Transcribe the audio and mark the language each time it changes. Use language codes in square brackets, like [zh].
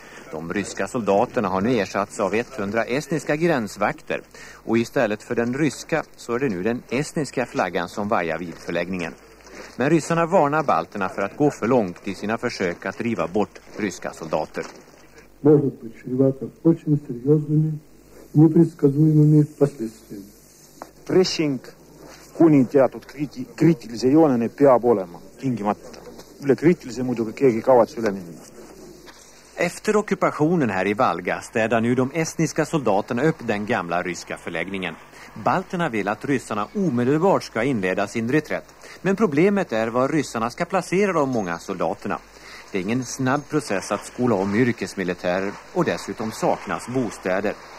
[sv] De ryska soldaterna har nu ersatts av 100 estniska gränsvakter och istället för den ryska så är det nu den estniska flaggan som vajar vid förläggningen. Men ryssarna varnar balterna för att gå för långt i sina försök att driva bort ryska soldater. [ru] Может быть, чревато очень серьезными, непредсказуемыми последствиями. [et] Pressing kuni teatud kriitilise joonene peab olema tingimata. Üle kriitilise muidugi keegi kavatse üle minna. [sv] Efter ockupationen här i Valga städar nu de estniska soldaterna upp den gamla ryska förläggningen. Balterna vill att ryssarna omedelbart ska inleda sin reträtt. Men problemet är var ryssarna ska placera de många soldaterna. Det är ingen snabb process att skola om yrkesmilitärer och dessutom saknas bostäder.